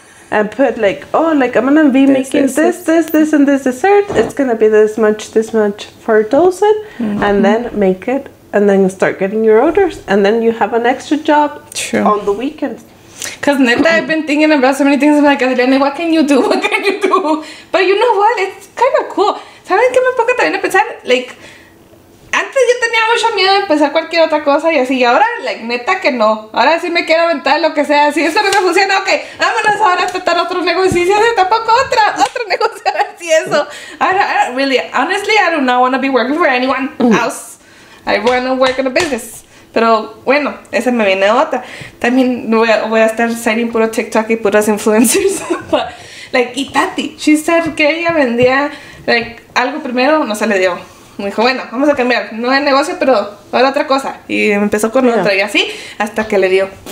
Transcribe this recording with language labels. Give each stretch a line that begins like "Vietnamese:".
English: And put, like, oh, like, I'm going to be making this, and this dessert. It's going to be this much for a dozen. Mm-hmm. And then make it. And then you start getting your orders. And then you have an extra job on the weekends. Because, neta, I've been thinking about so many things. I'm like, Adriana, what can you do? What can you do? But you know what? It's kind of cool.
Spanish: ¿Sabes qué me pongo también a pensar? Like, antes yo tenía mucho miedo de empezar cualquier otra cosa y así. Y ahora, like, neta que no. Ahora sí me quiero aventar lo que sea. Si eso no me funciona, ok. Vámonos ahora a tratar otro negocio. Y si tampoco otro negocio. Así eso.
English: I don't really, honestly, I do not want to be working for anyone else. I want to work in a business.
Spanish: Pero bueno, esa me viene otra. También voy a estar signing puro TikTok y puras influencers. But, like, y Tati,
English: she said
Spanish: que ella vendía, like, algo primero, no se le dio. Me dijo, bueno, vamos a cambiar. No es negocio, pero ahora otra cosa. Y empezó con otra y así, hasta que le dio.